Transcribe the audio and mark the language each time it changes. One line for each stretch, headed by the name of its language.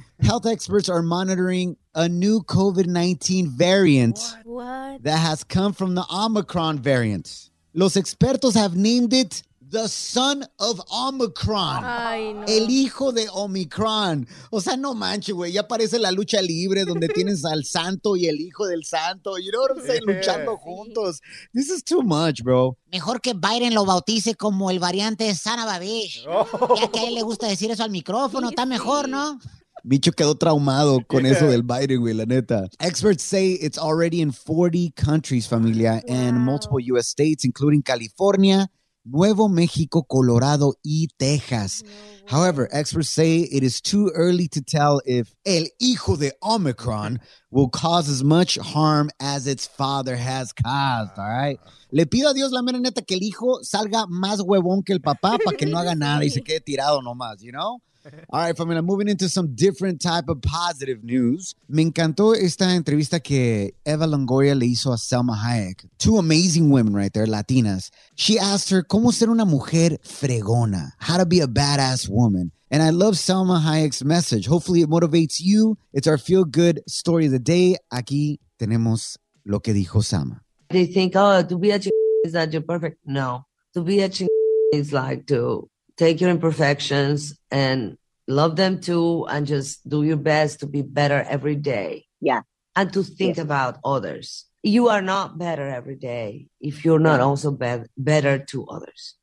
English: Health experts are monitoring a new COVID-19 variant. What? That has come from the Omicron variant.
Spanish: Los expertos
English: have named it the son of Omicron.
Spanish: Ay, no. El hijo de Omicron. O sea, no manches, güey. Ya parece la lucha libre donde tienes al santo y el hijo del santo.
English: You know what I'm saying?
Spanish: Luchando juntos.
English: This is too much, bro.
Spanish: Mejor que Biden lo bautice como el variante Sana Babish. Ya que a él le gusta decir eso al micrófono. Está mejor, ¿no? Micho quedó traumado con eso del Biden, güey, la neta.
English: Experts say it's already in 40 countries, familia, wow. And multiple U.S. states, including California, Nuevo México, Colorado, y Texas. However, experts say it is too early to tell if
Spanish: el hijo de Omicron
English: will cause as much harm as its father has caused, all right?
Spanish: Le pido a Dios, la mera neta, que el hijo salga más huevón que el papá para que no haga nada y se quede tirado nomás,
English: you know? All right, familia, moving into some different type of positive news.
Spanish: Me encantó esta entrevista que Eva Longoria le hizo a Selma Hayek.
English: Two amazing women right there, Latinas. She asked her,
Spanish: ¿cómo ser una mujer fregona?
English: How to be a badass woman? And I love Selma Hayek's message. Hopefully it motivates you. It's our feel-good story of the day.
Spanish: Aquí tenemos lo que dijo Selma.
English: They think, oh, to be a is that you're perfect. No, to be a is like to take your imperfections and love them too, and just do your best to be better every day. Yeah. And to think about others. You are not better every day if you're not also better to others.